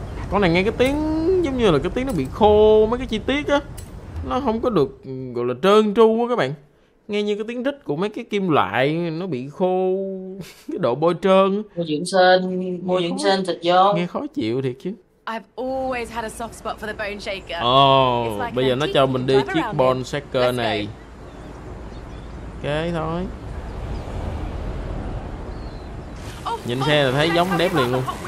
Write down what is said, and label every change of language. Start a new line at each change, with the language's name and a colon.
Vietnamese: Con này nghe cái tiếng giống như là cái tiếng nó bị khô mấy cái chi tiết á. Nó không có được gọi là trơn tru á các bạn. Nghe như cái tiếng rít của mấy cái kim loại nó bị khô, cái độ bôi trơn. Mua dưỡng sơn thịt vô. Nghe khó chịu thiệt chứ.
English: I've always had a soft spot for the bone shaker.
Vietnamese: Ồ, bây giờ nó cho mình đi chiếc bone shaker này. Ok thôi. Nhìn xe là thấy giống đẹp liền luôn.